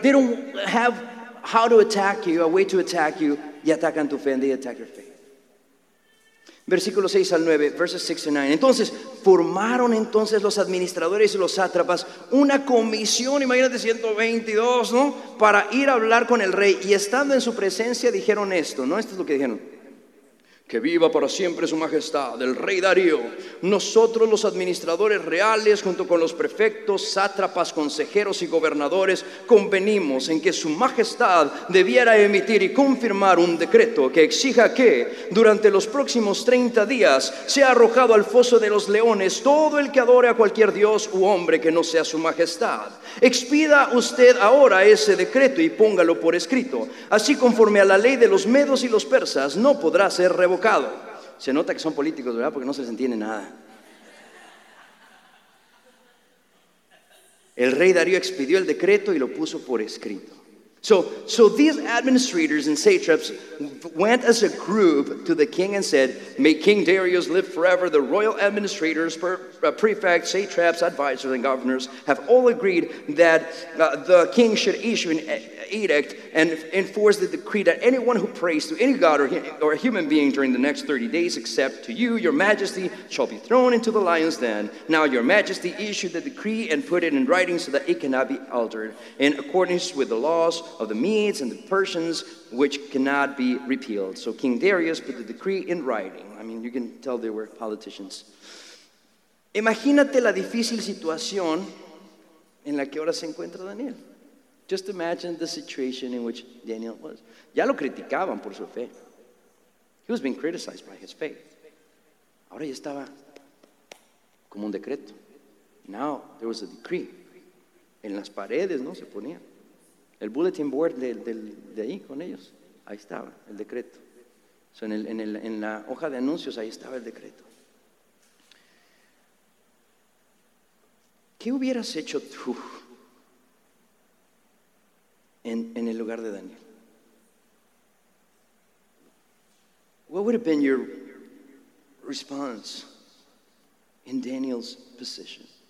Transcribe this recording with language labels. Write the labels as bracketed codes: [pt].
[en] They don't have how to attack you, a way to attack you, [es] y atacan tu fe, [en] and they attack your faith. [es] Versículo 6 al 9, [en] verses 6 to 9. [es] Entonces, formaron entonces los administradores y los sátrapas una comisión, imagínate, 122, ¿no? Para ir a hablar con el rey. Y estando en su presencia, dijeron esto, ¿no? Esto es lo que dijeron. Que viva para siempre su majestad, el rey Darío. Nosotros los administradores reales, junto con los prefectos, sátrapas, consejeros y gobernadores, convenimos en que su majestad debiera emitir y confirmar un decreto que exija que, durante los próximos 30 días, sea arrojado al foso de los leones todo el que adore a cualquier dios u hombre que no sea su majestad. Expida usted ahora ese decreto y póngalo por escrito. Así, conforme a la ley de los medos y los persas, no podrá ser revocado. Se nota que son políticos, ¿verdad? Porque no se les entiende nada. El rey Darío expidió el decreto y lo puso por escrito. [en] So these administrators and satraps went as a group to the king and said, "May King Darius live forever. The royal administrators, prefects, satraps, advisors, and governors have all agreed that the king should issue an edict and enforce the decree that anyone who prays to any god or a human being during the next 30 days except to you, your majesty, shall be thrown into the lion's den. Now your majesty issue the decree and put it in writing so that it cannot be altered in accordance with the laws of the Medes and the Persians, which cannot be repealed." So King Darius put the decree in writing. I mean, you can tell they were politicians. [es] Imagínate la difícil situación en la que ahora se encuentra Daniel. [en] Just imagine the situation in which Daniel was. [es] Ya lo criticaban por su fe. [en] He was being criticized by his faith. [es] Ahora ya estaba como un decreto. [en] Now there was a decree. [es] En las paredes, ¿no? Se ponía. El bulletin board de ahí con ellos. Ahí estaba el decreto. So en la hoja de anuncios, ahí estaba el decreto. ¿Qué hubieras hecho tú en el lugar de Daniel? [en] What would have been your response in Daniel's position?